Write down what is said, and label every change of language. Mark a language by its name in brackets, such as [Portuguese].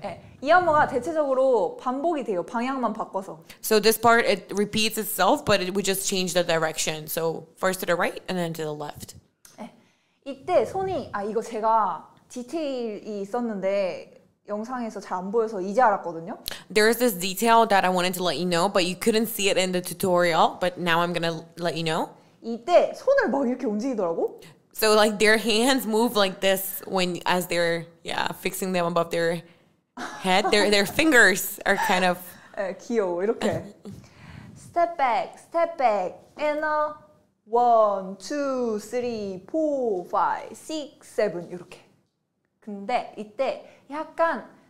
[Korean] 네, 이 안무가 대체적으로 반복이 돼요. 방향만 바꿔서. [English] So this part it repeats itself, but we just change the direction. So first to the right and then to the left. [Korean] 네, 이때 손이 이거 제가 디테일이 있었는데. 영상에서 잘 안 보여서 이제 알았거든요. [English] There is this detail that I wanted to let you know, but you couldn't see it in the tutorial. But now I'm gonna let you know. [Korean] 이때 손을 막 이렇게 움직이더라고. [English] So like their hands move like this when as they're yeah fixing them above their head. Their fingers are kind of [Korean] 네, 귀여워 이렇게. [English] step back, and 1, 2, 3, 4, 5, 6, 7 [Korean] 이렇게. 근데 이때 약간